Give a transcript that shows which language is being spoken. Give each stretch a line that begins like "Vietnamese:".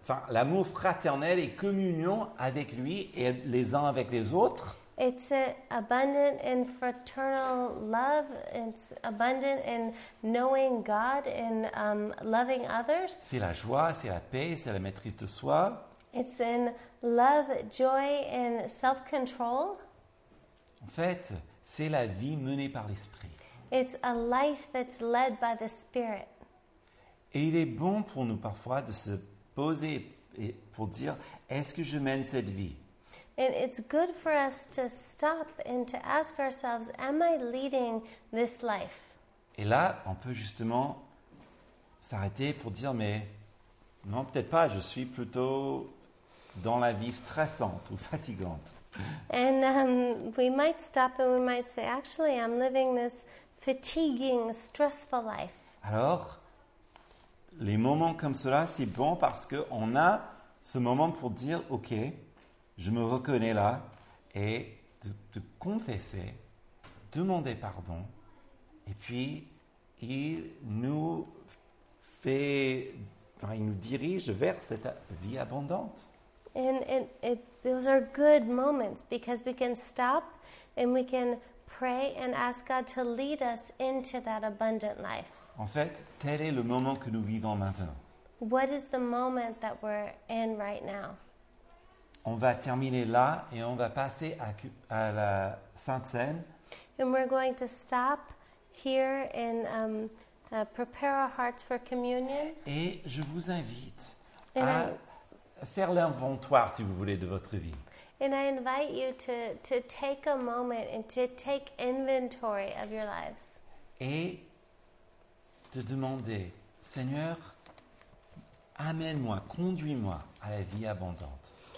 French: L'amour fraternel et communion avec lui et les uns avec les autres.
English: It's abundant in fraternal love. It's abundant in knowing God and loving others.
French: C'est la joie, c'est la paix, c'est la maîtrise de soi.
English: It's in love, joy and self-control.
French: En fait, c'est la vie menée par l'Esprit.
English: It's a life that's led by the Spirit.
French: Et il est bon pour nous parfois de se poser et pour dire, est-ce que je mène cette vie?
English: And it's good for us to stop and to ask ourselves, am I leading this life?
French: Et là, on peut justement s'arrêter pour dire, mais non, peut-être pas, je suis plutôt dans la vie stressante ou fatigante.
English: And we might stop and we might say, actually, I'm living this fatiguing, stressful life.
French: Alors, les moments comme cela, c'est bon parce qu'on a ce moment pour dire, ok, je me reconnais là, et de confesser, demander pardon, et puis il nous fait, enfin, il nous dirige vers cette vie abondante.
English: And it, those are good moments because we can stop and we can pray and ask God to lead us into that abundant life.
French: En fait, tel est le moment que nous vivons maintenant.
English: What is the moment that we're in right now?
French: On va terminer là et on va passer à la Sainte Cène.
English: And we're going to stop here and prepare our hearts for communion.
French: Et je vous invite and à faire l'inventoire, si vous voulez, de votre vie.
English: And I invite you to take a moment and to take inventory of your lives.
French: Et de demander, Seigneur, amène-moi, conduis-moi à la vie abondante.